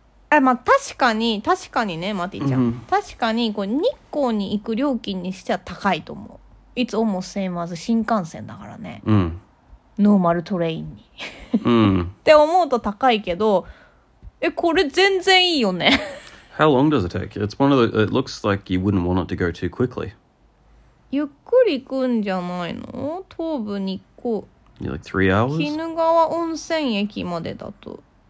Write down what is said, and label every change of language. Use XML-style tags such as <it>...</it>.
<ja>え、まあ確かにね、マティちゃん。 Mm-hmm. 確かに、日光に行く料金にしては高いと思う。</ja> <en>It's almost same as 新幹線</en> <ja>だからね。 Mm. ノーマルトレインに。 Mm. って思うと高いけど、え、これ全然いいよね。</ja> <en>How long does it take? It's one of the, it looks like you wouldn't want it to go too quickly.</en> <ja>ゆっくり行くんじゃないの？東武日光。</ja> <en>You're like 3 hours?</en> <ja>鬼怒川温泉駅までだと。</ja>